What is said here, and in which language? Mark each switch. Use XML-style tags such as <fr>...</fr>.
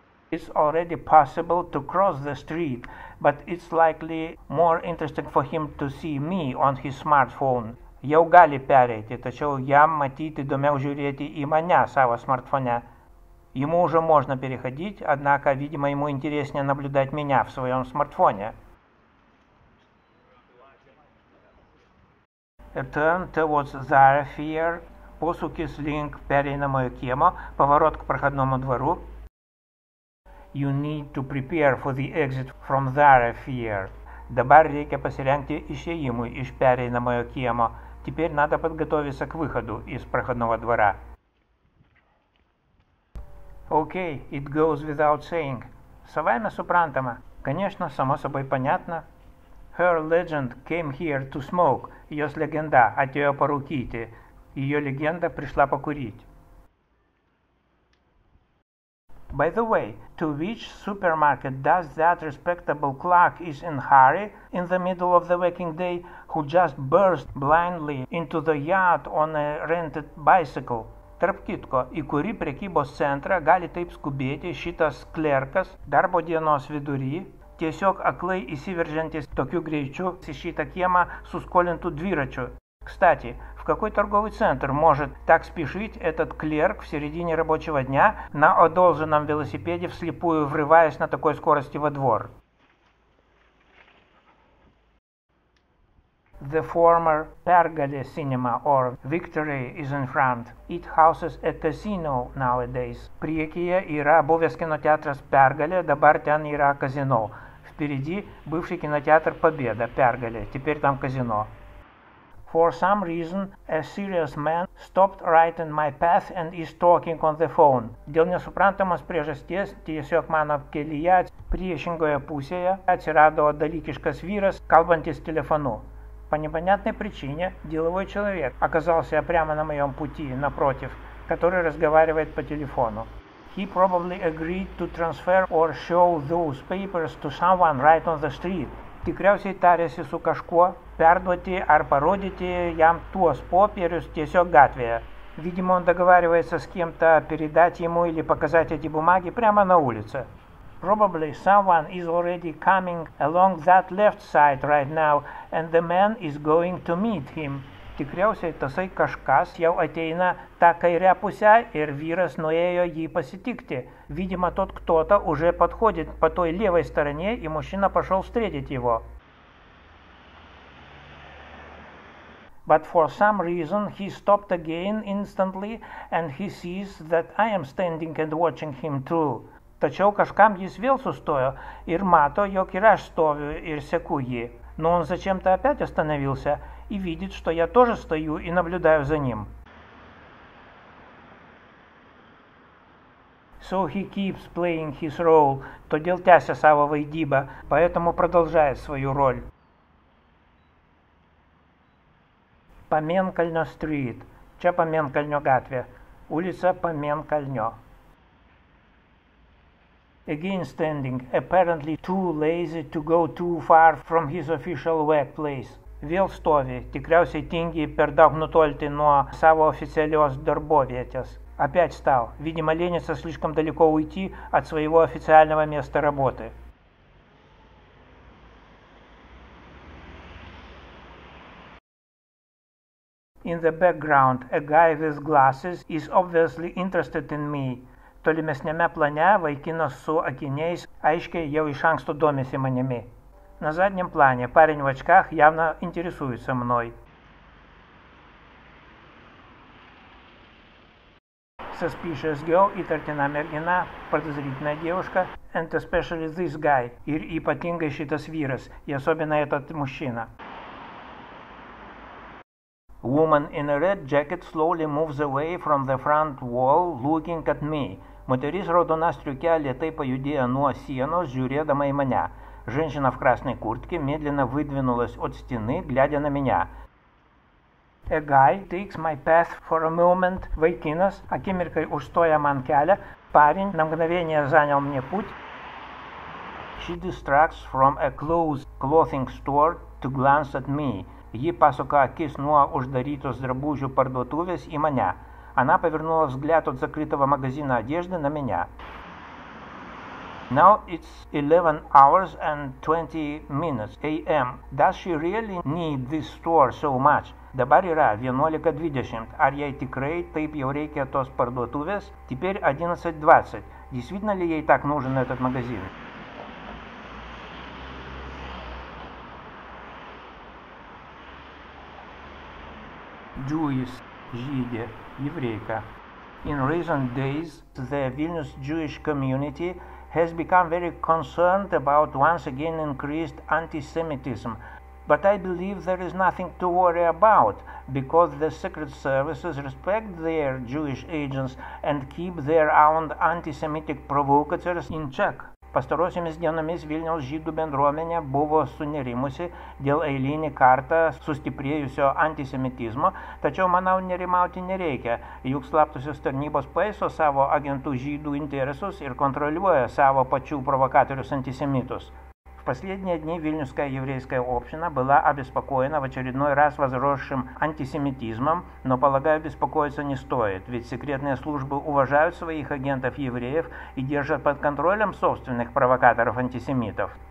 <en>It's already possible to cross the street, but it's likely more interesting for him to see me on his smartphone.</en> <lt>Jau gali pereiti, tačiau jam matyti įdomiau žiūrėti į mane savo smartfone.</lt> <ru>Ему уже можно переходить, однако, видимо, ему интереснее наблюдать меня в своем смартфоне.</ru> <en>A turn towards Zarafier,</en> <lt>посукис линк перейному кемо,</lt> <ru>поворот к проходному двору.</ru> <en>You need to prepare for the exit from Zarafier.</en> <lt>Dabar reikia pasirengti išėjimui iš perėjimo kiemo.</lt> <ru>Теперь надо подготовиться к выходу из проходного двора.</ru> <en>Okay, it goes without saying.</en> <lt>Savaime suprантама.</lt> <ru>Конечно, само собой понятно.</ru> <en>Her legend came here to smoke.</en> <lt>Jos legenda atėjo parūkyti. Jo legenda prišla pakuryti.</lt> <en>By the way, to which supermarket does that respectable clerk is in hurry in the middle of the working day who just burst blindly into the yard on a rented bicycle?</en> <lt>Tarp kitko, į kurį prekybos centrą gali taip skubėti šitas klerkas darbo dienos vidury, Tiesiog aklai įsiveržiantis tokiu greičiu į šitą kiemą su skolintu dviračiu.</lt> <ru>Кстати, в какой торговый центр может так спешить этот клерк в середине рабочего дня на одолженном велосипеде, вслепую врываясь на такой скорости во двор?</ru> <en>The former Pergale Cinema or Victory is in front. It houses a casino nowadays.</en> <lt>Priekyje yra buvęs kinoteatras Pergale, dabar ten yra kazino.</lt> <ru>Впереди бывший кинотеатр Победа, Pergale, теперь там казино.</ru> <en>For some reason, a serious man stopped right in my path and is talking on the phone.</en> <lt>Dėl nesuprantamos priežasties, tiesiog mano kelyje priešingoje pusėje atsirado dalykiškas vyras, kalbantis telefonu.</lt> <ru>По непонятной причине деловой человек оказался прямо на моем пути, напротив, который разговаривает по телефону.</ru> <en>He probably agreed to transfer or show those papers to someone right on the street.</en> <lt>Tikriausiai tarėsi su kažkuo perduoti ar parodyti jam tuos popierius tiesiog gatvėje.</lt> <ru>Видимо, он договаривается с кем-то передать ему или показать эти бумаги прямо на улице.</ru> <en>Probably someone is already coming along that left side right now, and the man is going to meet him.</en> <lt>Tikriausiai tasai kažkas jau ateina tą kairę pusę ir vyras nuėjo jį pasitikti.</lt> <ru>Видимо, тот кто-то уже подходит по той левой стороне, и мужчина пошел встретить его.</ru> <en>But for some reason he stopped again instantly, and he sees that I am standing and watching him too.</en> <lt>Tačiau kažkam jis vėl sustojo ir mato, jog ir aš stoviu ir seku jį.</lt> <ru>Но он зачем-то опять остановился и видит, что я тоже стою и наблюдаю за ним.</ru> <en>So he keeps playing his role,</en> <lt>то дел тяся сава вайдиба,</lt> <ru>поэтому продолжает свою роль. Поменкальньо стрит.</ru> <lt>Че поменкальньо гатве?</lt> <ru>Улица Поменкальньо.</ru> <en>Again standing, apparently too lazy to go too far from his official workplace.</en> <lt>Vėl stovi, tikriausiai tingi per daug nutolti nuo savo oficialios darbovietės.</lt> <ru>Опять стал, видимо, ленится слишком далеко уйти от своего официального места работы.</ru> <en>In the background, a guy with glasses is obviously interested in me.</en> <lt>Tolimesniame plane vaikinas su akiniais aiškiai jau iš anksto domisi manimi.</lt> <ru>На заднем плане парень в очках явно интересуется мной.</ru> <en>Suspicious girl,</en> <lt>įtartina mergina,</lt> <ru>подозрительная девушка,</ru> <en>and especially this guy,</en> <lt>ir ypatingai šitas vyras,</lt> <ru>и особенно этот мужчина.</ru> <en>Woman in a red jacket slowly moves away from the front wall, looking at me.</en> <lt>Moteris raudona striuke lietai pajudėjo nuo sienos, žiūrėdama į mane.</lt> <ru>Женщина в красной куртке медленно выдвинулась от стены, глядя на меня.</ru> <en>A guy takes my path for a moment.</en> <lt>Vaikinas, akimirkai užstoja man kelią.</lt> <ru>Парень на мгновение занял мне путь.</ru> <en>She distracts from a closed clothing store to glance at me.</en> <lt>Ji pasuka akis nuo uždarytos drabužių parduotuvės į mane.</lt> <ru>Она повернула взгляд от закрытого магазина одежды на меня.</ru> <en>Now it's 11 hours and 20 minutes a.m. Does she really need this store so much?</en> <lt>Dabar yra 11:20. Ar jai tikrai taip jau reikia tos parduotuvės?</lt> <ru>Теперь 11:20. Действительно ли ей так нужен этот магазин?</ru> <en>Jewish,</en> <ru>жиде, еврейка.</ru> <en>In recent days, the Vilnius Jewish community has become very concerned about once again increased anti-Semitism. But I believe there is nothing to worry about, because the secret services respect their Jewish agents and keep their own anti-Semitic provocateurs in check.</en> <lt>Pastarosiomis dienomis Vilniaus žydų bendruomenė buvo sunerimusi dėl eilinį kartą sustiprėjusio antisemitizmo, tačiau manau nerimauti nereikia, juk slaptosios tarnybos paiso savo agentų žydų interesus ir kontroliuoja savo pačių provokatorius antisemitus.</lt> <ru>В последние дни Вильнюсская еврейская община была обеспокоена в очередной раз возросшим антисемитизмом, но, полагаю, беспокоиться не стоит, ведь секретные службы уважают своих агентов-евреев и держат под контролем собственных провокаторов-антисемитов.</ru>